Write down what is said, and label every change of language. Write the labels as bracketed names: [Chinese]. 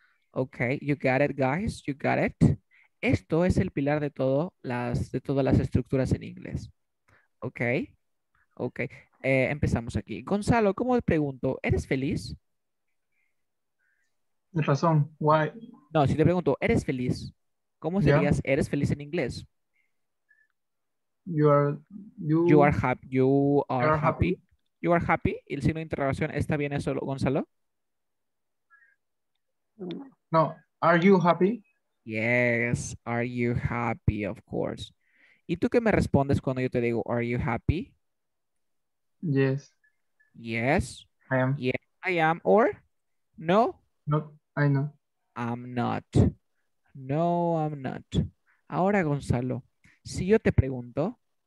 [English] Ok, you got it, guys, you got it. [Spanish] Esto es el pilar de todas las estructuras en inglés. Ok. Empezamos aquí. Gonzalo, ¿cómo te pregunto? ¿Eres feliz? De razón, [English] why? [Spanish] No, si te pregunto, ¿eres feliz? ¿Cómo serías eres feliz en inglés? [English] You are happy. You are happy. [Spanish] ¿Y el signo de interrogación está bien eso, Gonzalo? [English] No, are you happy? Yes, are you happy, of course. [Spanish] ¿Y tú qué me respondes cuando yo te digo, [English] are you happy? Yes. I am. Yeah, I am. Or, no? No. I know. I'm not. No, I'm not. [Spanish] Ahora, Gonzalo, si yo te pregunto,